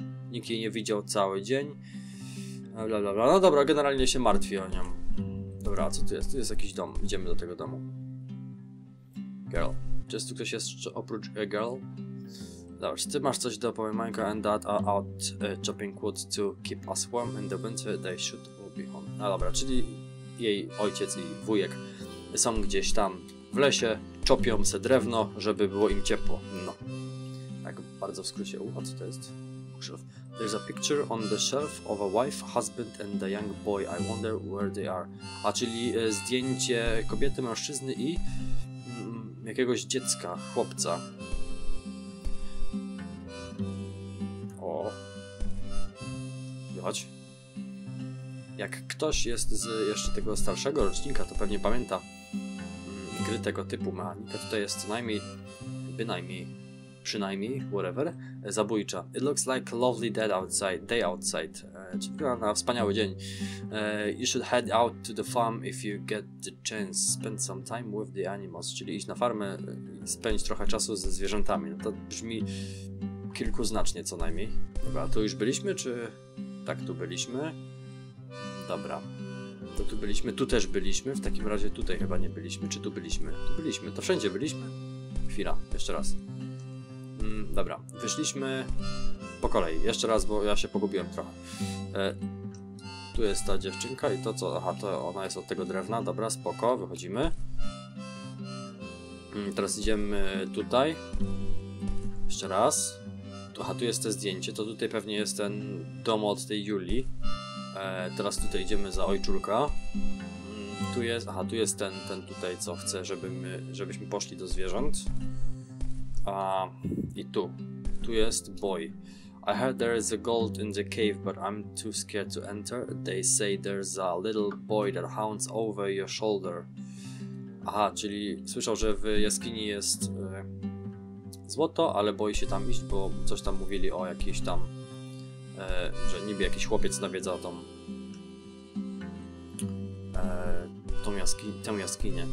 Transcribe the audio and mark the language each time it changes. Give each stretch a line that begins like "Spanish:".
Polish: Nikt jej nie widział cały dzień. Bla, bla, bla. No dobra, generalnie się martwi o nią. Dobra, a co tu jest? Tu jest jakiś dom. Idziemy do tego domu. Girl. Czy jest tu ktoś jeszcze oprócz girl? Dobra, czy ty masz coś do powiemanka?
English: And that are out chopping wood to keep us warm in the winter. They should all be home.
Polish: No dobra, czyli jej ojciec i wujek są gdzieś tam w lesie, czopią se drewno, żeby było im ciepło. No. Tak bardzo w skrócie. A co to jest?
English: There's a picture on the shelf of a wife, husband and a young boy. I wonder where they are.
Polish: A czyli zdjęcie kobiety, mężczyzny i jakiegoś dziecka, chłopca. O. Chodź. Jak ktoś jest z jeszcze tego starszego rocznika, to pewnie pamięta gry tego typu mechanika. Tutaj jest co najmniej, bynajmniej, przynajmniej, whatever, zabójcza.
English: It looks like lovely dead outside, day outside.
Polish: Czy wygląda na wspaniały dzień.
English: You should head out to the farm if you get the chance. Spend some time with the animals.
Polish: Czyli iść na farmę i spędzić trochę czasu ze zwierzętami. No to brzmi kilkuznacznie co najmniej. Dobra, tu już byliśmy, czy tak tu byliśmy? Dobra, to tu byliśmy, tu też byliśmy, w takim razie tutaj chyba nie byliśmy, czy tu byliśmy? Tu byliśmy, to wszędzie byliśmy. Chwila, jeszcze raz. Dobra, wyszliśmy po kolei, jeszcze raz, bo ja się pogubiłem trochę. Tu jest ta dziewczynka i to co, aha, to ona jest od tego drewna, dobra, spoko, wychodzimy. Teraz idziemy tutaj. Jeszcze raz. Aha, tu jest to zdjęcie, to tutaj pewnie jest ten dom od tej Julii. Teraz tutaj idziemy za ojczulka. Tu jest, aha, tu jest ten tutaj, co chce, żebyśmy poszli do zwierząt. I tu. Tu jest boy.
English: I heard there is a gold in the cave, but I'm too scared to enter. They say there's a little boy that hounds over your shoulder.
Polish: Aha, czyli słyszał, że w jaskini jest złoto, ale boi się tam iść, bo coś tam mówili o jakiejś tam... że niby jakiś chłopiec nawiedza tą jaskinię.